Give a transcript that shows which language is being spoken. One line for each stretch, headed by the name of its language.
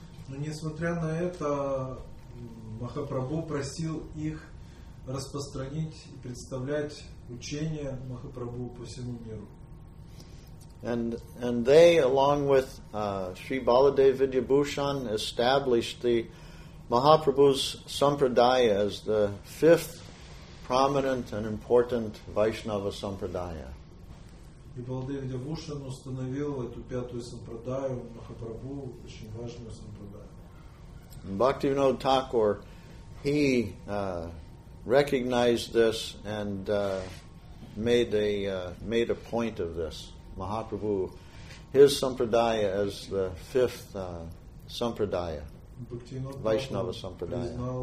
Russian: Но несмотря на это, Махапрабху просил их распространить и представлять учение Махапрабху по всему миру.
English: And they, along with Sri Baladev Vidyabhushan, established the Mahaprabhu's Sampradaya as the fifth prominent and important Vaishnava Sampradaya.
Russian: И Баладев Видьябхушан установил эту пятую Сампрадаю, Махапрабху, очень важную Сампрадаю.
English: Bhaktivinod Thakur, he recognized this and made a point of this. Mahaprabhu, his sampradaya as the fifth sampradaya, Vaishnava sampradaya.